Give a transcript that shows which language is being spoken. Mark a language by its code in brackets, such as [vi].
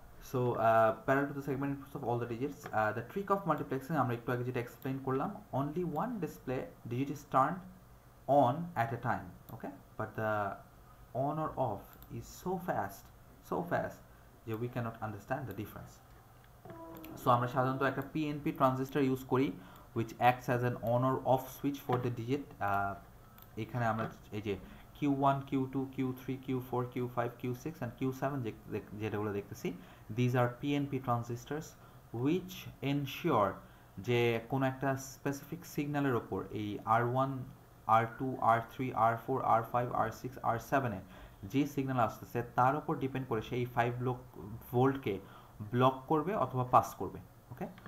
[en] so parallel to the segment inputs of all the digits, the trick of multiplexing, [bn] আমরা একটু আগে যেটা explain করলাম, [en] Only 1 display digit is turn on at a time, okay? But the on or off is so fast যে we cannot understand the difference. [bn] So আমরা সাধারণত একটা PNP transistor use করি, [en] which acts as an on or off switch for the digit. [bn] এখানে আমরা এই যে Q1, Q2, Q3, Q4, Q5, Q6 and Q7 যেগুলো দেখতেছি, [en] these are PNP transistors which ensure [bn] যে কোনো একটা স্পেসিফিক সিগন্যালের ওপর এই R1, R2, R3, R4, R5, R6, R7 এ যে সিগন্যাল আসতেছে তার ওপর ডিপেন্ড করে সেই 5 ভোল্টকে ব্লক করবে অথবা পাস করবে, ওকে?